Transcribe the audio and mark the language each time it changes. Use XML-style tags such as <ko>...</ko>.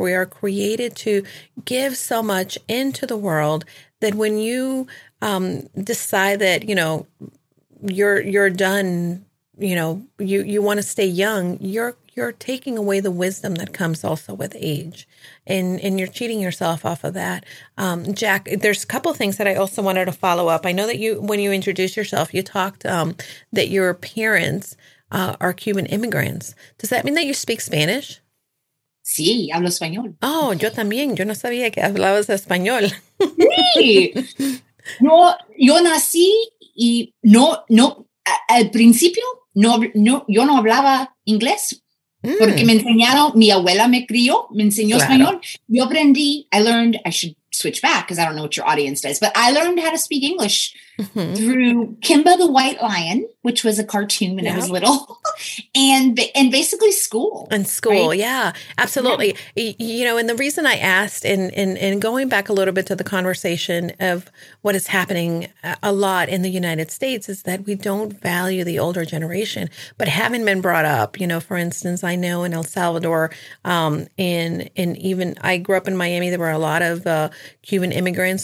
<en>We are created to give so much into the world that when you decide that, you know, you're done, you know, you want to stay young, you're taking away the wisdom that comes also with age. And you're cheating yourself off of that. Jack, there's a couple of things that I also wanted to follow up. I know that when you introduced yourself, you talked that your parents are Cuban immigrants. Does that mean that you speak Spanish?</en> <es>Sí, hablo español. Oh, yo también. Yo no sabía que hablabas español. Sí. Yo nací y no, al principio, no, yo no hablaba inglés. Porque me enseñaron, mi abuela me crió, me enseñó claro. español. Yo aprendí,</es> <en>I should switch back because I don't know what your audience does, but I learned how to speak English mm-hmm. through Kimba the White Lion, which was a cartoon when yeah. I was little, and basically school. And school, right? Yeah, absolutely. Yeah. You know, and the reason I asked, and going back a little bit to the conversation of what is happening a lot in the United States is that we don't value the older generation, but having been brought up, you know, for instance, I know in El Salvador, in even I grew up in Miami, there were a lot of Cuban immigrants.</en>